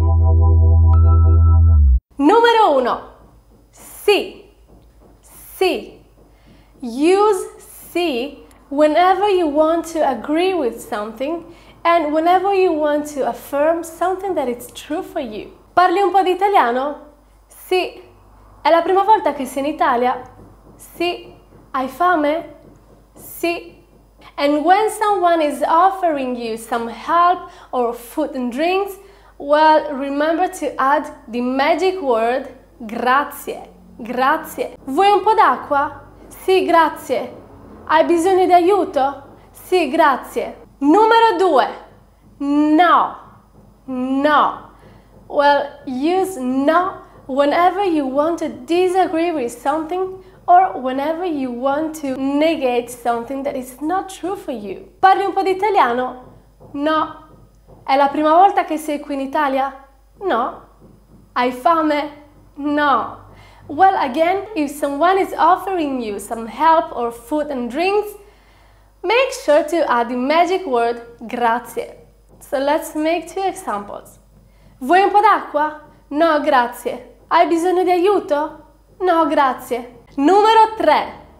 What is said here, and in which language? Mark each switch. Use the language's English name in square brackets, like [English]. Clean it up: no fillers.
[Italian] Numero 1. Sì. Sì. [English] Use sì whenever you want to agree with something and whenever you want to affirm something that is true for you. [Italian] Parli un po' di italiano? Sì. È la prima volta che sei in Italia? Sì. Hai fame? Sì. [English] And when someone is offering you some help or food and drinks, well, remember to add the magic word grazie. [Italian] Grazie. Vuoi un po' d'acqua? Sì, grazie. Hai bisogno di aiuto? Sì, grazie. Numero 2. No. No. [English] Well, use no whenever you want to disagree with something or whenever you want to negate something that is not true for you. [Italian] Parli un po' di italiano? No. È la prima volta che sei qui in Italia? No. Hai fame? No. [English] Well, again, if someone is offering you some help or food and drinks, make sure to add the magic word grazie. So let's make two examples. [Italian] Vuoi un po' d'acqua? No, grazie. Hai bisogno di aiuto? No, grazie. Numero 3.